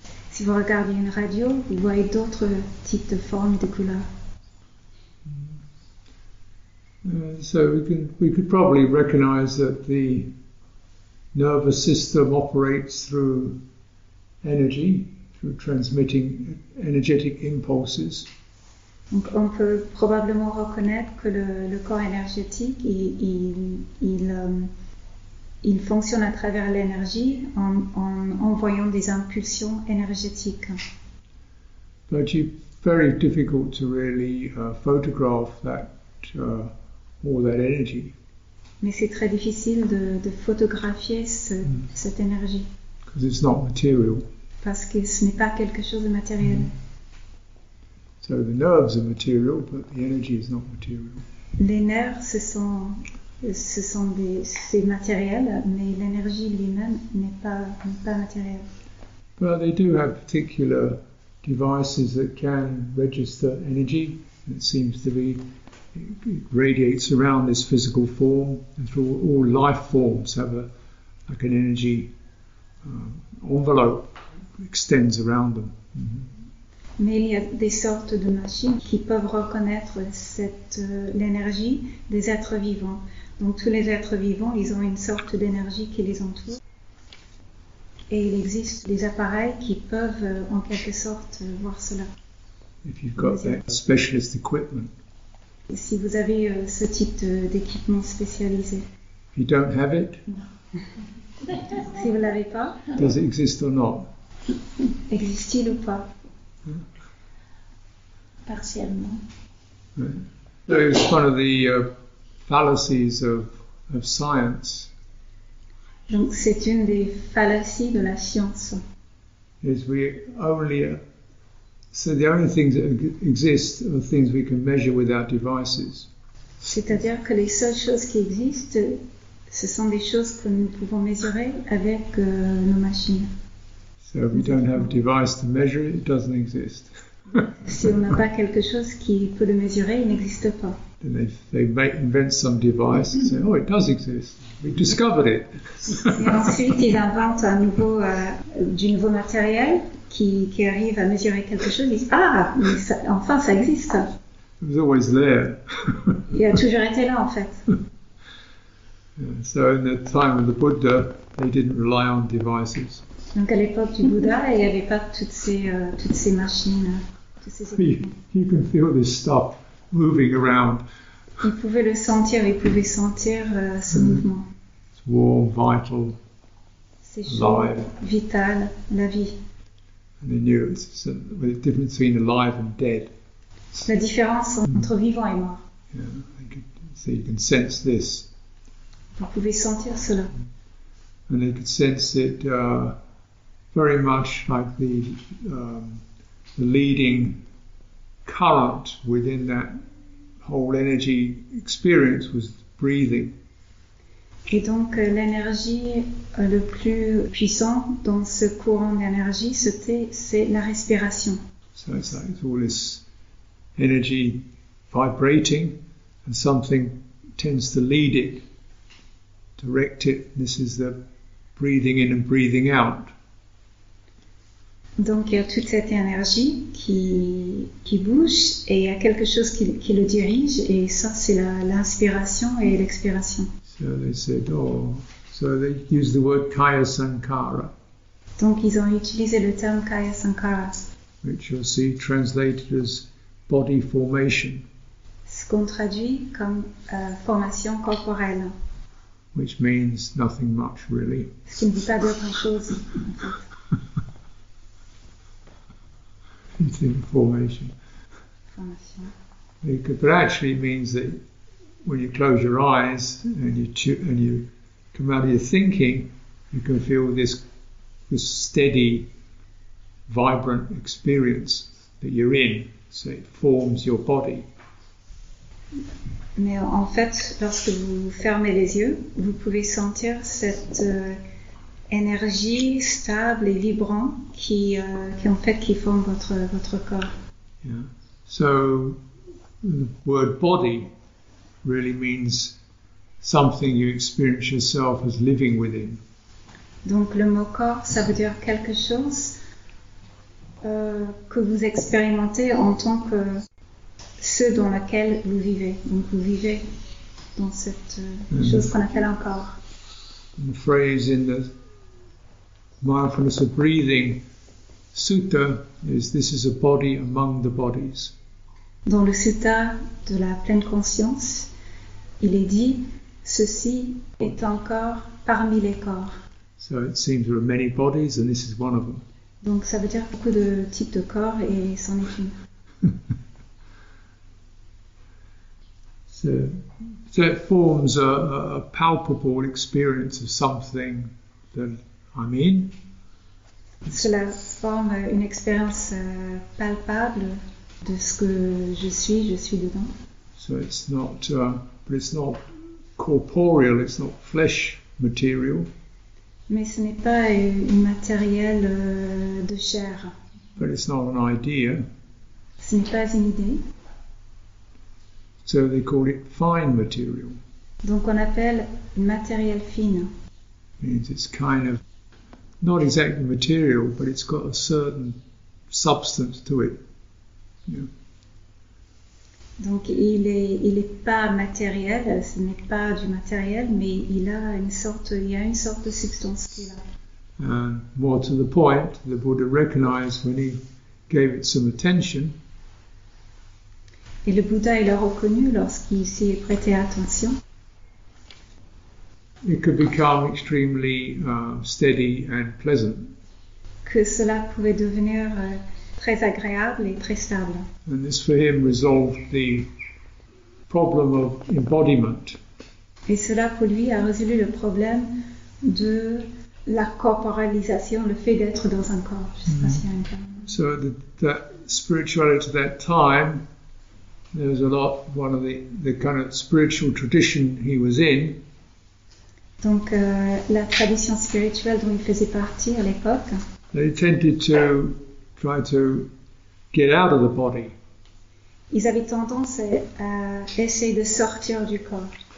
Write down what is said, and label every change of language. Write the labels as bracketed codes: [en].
[fr] Si vous regardez une radio, vous voyez d'autres types de formes et de couleurs. [en] So we could probably recognize that the nervous system operates through energy, through transmitting energetic impulses. [fr] Donc on peut probablement reconnaître que le corps énergétique il fonctionne à travers l'énergie en envoyant des impulsions énergétiques. [en] But it's very difficult to really photograph that all that energy. [fr] Mais c'est très difficile de photographier cette énergie. [en] Because it's not material. [fr] Parce que ce n'est pas quelque chose de matériel. [en] So the nerves are material, but the energy is not material. [fr] Les nerfs, c'est matériel, mais l'énergie lui-même n'est pas matériel. [en] But they do have particular devices that can register energy. It seems to be it radiates around this physical form, and through all life forms have an energy envelope extends around them. Mm-hmm. [fr] Mais il y a des sortes de machines qui peuvent reconnaître l'énergie des êtres vivants. Donc tous les êtres vivants, ils ont une sorte d'énergie qui les entoure. Et il existe des appareils qui peuvent en quelque sorte voir cela. [en] If you've got that specialist equipment. [fr] Si vous avez ce type d'équipement spécialisé. [en] If you don't have it, [fr] Si vous l'avez pas. [en] Does it exist or not? [fr] Existe-t-il ou pas? Partiellement. [en] Right. So it's one of the fallacies of science. [fr] Donc c'est une des fallacies de la science. [en] Is we only so the only things that exist are things we can measure with our devices. [fr] C'est-à-dire que les seules choses qui existent, ce sont des choses que nous pouvons mesurer avec nos machines. [en] So if we don't have a device to measure it, it doesn't exist. [fr] Si on n'a pas quelque chose qui peut le mesurer, il n'existe pas. [en] And they might invent some device and say, oh, it does exist. We discovered it. [fr] Et ensuite, ils inventent un nouveau, du nouveau matériel qui arrive à mesurer quelque chose. Ils disent, ah, mais ça, enfin, ça existe. [en] It was always there. [fr] Il a toujours été là, en fait. [en] So in the time of the Buddha, they didn't rely on devices. [fr] Donc à l'époque du Bouddha, il n'y avait pas toutes ces machines, toutes ces équipements. [en] You can feel this stuff moving around. [fr] Il pouvait le sentir, il pouvait sentir ce mouvement. [en] It's warm, vital, [fr] c'est chaud, [en] alive. [fr] Vital, la vie. [en] And they knew it's the difference between alive and dead. [fr] La différence entre vivant et mort. [en] Yeah, so you can sense this. [fr] Vous pouvez sentir cela. [en] And they could sense it very much like the leading current within that whole energy experience was breathing. [fr] Et donc l'énergie le plus puissant dans ce courant d'énergie, c'est la respiration. [en] So it's like it's all this energy vibrating and something tends to lead it, direct it. This is the breathing in and breathing out. [fr] Donc il y a toute cette énergie qui bouge et il y a quelque chose qui le dirige et ça c'est l'inspiration et l'expiration. [en] So they said, oh, so they use the word kaya sankara. [fr] Donc ils ont utilisé le terme kaya sankara. [en] Which you'll see translated as body formation. [fr] Ce qu'on traduit comme formation corporelle. [en] Which means nothing much really. [fr] Ce qui ne veut pas dire grand chose en fait. [en] It's in formation. [fr] Formation. [en] But actually it means that when you close your eyes and you come out of your thinking, you can feel this steady, vibrant experience that you're in. So it forms your body. [fr] Mais en fait, lorsque vous fermez les yeux, vous pouvez sentir cette énergie stable et vibrant qui en fait qui forme votre corps. [en] Yeah. So the word body really means something you experience yourself as living within. [fr] Donc le mot corps, ça veut dire quelque chose que vous expérimentez en tant que ceux dans lequel vous vivez. Donc vous vivez dans cette chose qu'on appelle un corps. [en] The phrase in the mindfulness of breathing sutta is this is a body among the bodies. [fr] Dans le sutta de la pleine conscience, il est dit ceci est un corps parmi les corps. [en] So it seems there are many bodies and this is one of them. [fr] Donc ça veut dire beaucoup de types de corps et c'en est une. [en] So it forms a palpable experience of something that I mean. [fr] Cela forme une expérience palpable de ce que je suis dedans. [en] So it's not, but it's not corporeal, it's not flesh material. [fr] Mais ce n'est pas un matériel de chair. [en] But it's not an idea. [fr] Ce n'est pas une idée. [en] So they call it fine material. [fr] Donc on appelle matériel fine. [en] Means it's kind of not exactly material, but it's got a certain substance to it. Yeah. [fr] Donc il est pas matériel, ce n'est pas du matériel, mais il y a une sorte de substance qui est là. [en] And more to the point, the Buddha recognized when he gave it some attention. [fr] Et le Bouddha il a reconnu lorsqu'il s'y est prêté attention. [en] it could become extremely steady and pleasant. [fr] Que cela pouvait devenir très agréable et très stable. [en] And this for him resolved the problem of embodiment. [fr] Et cela pour lui a résolu le problème de la corporalisation, le fait d'être dans un corps. Je sais pas si un corps. [en] So the spirituality at that time, there was a lot, one of the kind of spiritual tradition he was in. [fr] Donc la tradition spirituelle dont il faisait partie à l'époque. [en] They tended to try to get out of the body. [fr] Ils avaient tendance à essayer de sortir du corps.